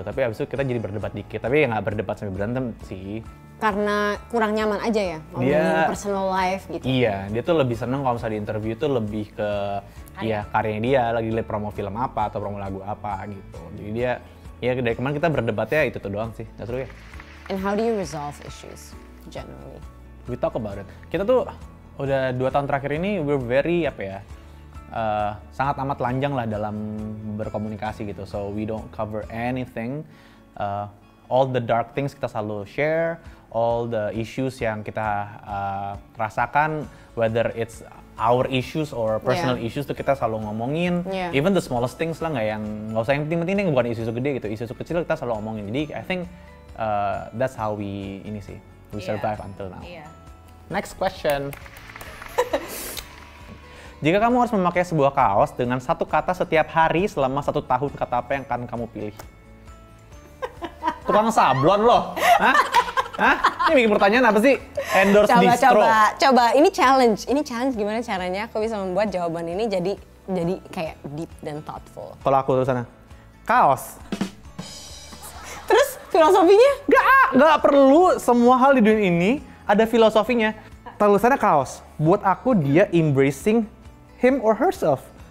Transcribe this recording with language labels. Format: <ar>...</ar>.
<id>Tapi abis itu kita jadi berdebat dikit. Tapi ya nggak berdebat sampai berantem sih. Karena kurang nyaman aja ya ngomongin personal life gitu. Iya, dia tuh lebih seneng kalau misalnya di interview tuh lebih ke ya karyanya dia lagi liat promo film apa atau promo lagu apa gitu. Jadi dia ya dari kemarin kita berdebatnya itu tuh doang sih, nggak seru ya.</id> <en>And how do you resolve issues generally? We talk about it.</en> <id>Kita tuh udah 2 tahun terakhir ini</id> <en>we're very</en> <id>apa ya, sangat amat lanjang lah dalam berkomunikasi gitu.</id> <en>So we don't cover anything. All the dark things</en> <id>kita selalu share,</id> <en>all the issues</en> <id>yang kita rasakan,</id> <en>whether it's our issues or personal issues</en> <id>tuh kita selalu ngomongin.</id> <en>Even the smallest things</en> <id>lah, nggak usah yang penting-penting deh, bukan isu-isu gede gitu, isu-isu kecil kita selalu ngomongin.</id> <en>Jadi I think that's how we</en> <id>ini sih</id> <en>we survive until now. Next question.</en> <id>Jika kamu harus memakai sebuah kaos dengan satu kata setiap hari selama 1 tahun, kata apa yang akan kamu pilih? Tukang sablon loh. Hah? Ini bikin pertanyaan apa sih? Endorse coba, distro. Coba. Ini challenge. Ini challenge gimana caranya aku bisa membuat jawaban ini jadi kayak deep dan thoughtful. Kalau aku terus sana. Kaos. Terus filosofinya? Enggak perlu semua hal di dunia ini ada filosofinya. Tulisannya kaos. Buat aku dia</id> <en>embracing him or herself.</en>